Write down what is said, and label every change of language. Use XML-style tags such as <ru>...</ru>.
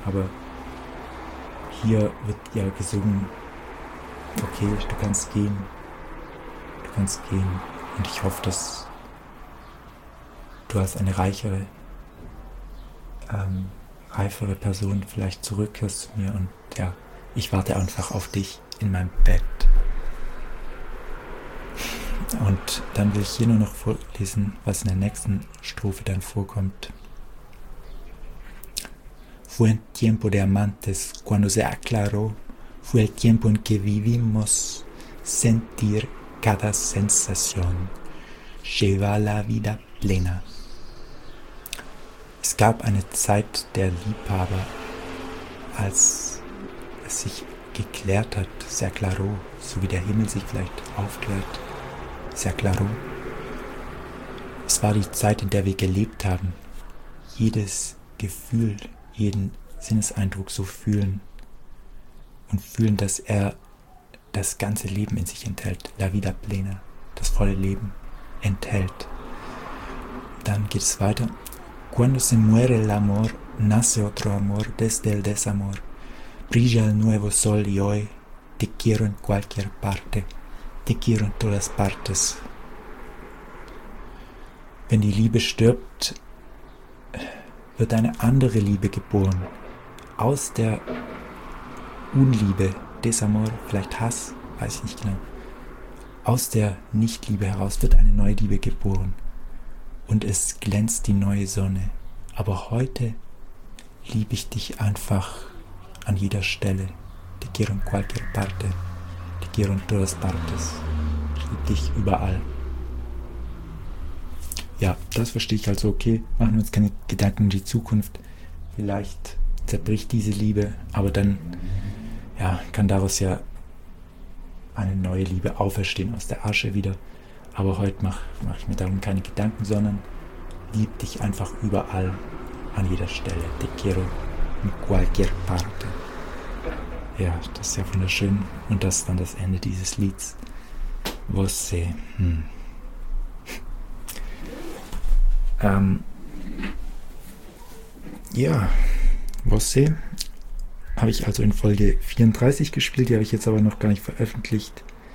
<de>Aber hier wird ja gesungen, okay, du kannst gehen und ich hoffe, dass du als eine reichere, reifere Person vielleicht zurückkehrst zu mir und ja, ich warte einfach auf dich in meinem Bett. Und dann will ich hier nur noch vorlesen, was in der nächsten Strophe dann vorkommt.</de> <es>Fue el tiempo de amantes, cuando se aclaró, fue el tiempo en que vivimos, sentir cada sensación, lleva la vida plena.</es> <de>Es gab eine Zeit der Liebhaber, als es sich geklärt hat, sehr</de> <es>klaro,</es> <de>so wie der Himmel sich vielleicht aufklärt, sehr klaro. Es war die Zeit, in der wir gelebt haben, jedes Gefühl, jeden Sinneseindruck so fühlen und fühlen, dass er das ganze Leben in sich enthält,</de> <es>la vida plena,</es> <de>das volle Leben enthält. Dann geht es weiter.</de> <es>Cuando se muere el amor, nace otro amor desde el desamor. Brilla el nuevo sol y hoy te quiero en cualquier parte, te quiero en todas partes.</es> <de>Wenn die Liebe stirbt, wird eine andere Liebe geboren. Aus der Unliebe, Desamor, vielleicht Hass, weiß ich nicht genau. Aus der Nichtliebe heraus wird eine neue Liebe geboren. Und es glänzt die neue Sonne. Aber heute liebe ich dich einfach an jeder Stelle.</de> <es>Te quiero en cualquier parte. Te quiero en todas partes.</es> <de>Ich liebe dich überall. Ja, das verstehe ich also okay. Machen wir uns keine Gedanken um die Zukunft. Vielleicht zerbricht diese Liebe, aber dann ja, kann daraus ja eine neue Liebe auferstehen aus der Asche wieder. Aber heute mach ich mir darum keine Gedanken, sondern lieb dich einfach überall, an jeder Stelle.</de> <es>Te quiero in cualquier parte.</es> <de>Ja, das ist ja wunderschön. Und das ist dann das Ende dieses Lieds. Você. Ja, Você habe ich also in Folge 34 gespielt. Die habe ich jetzt aber noch gar nicht veröffentlicht.</de>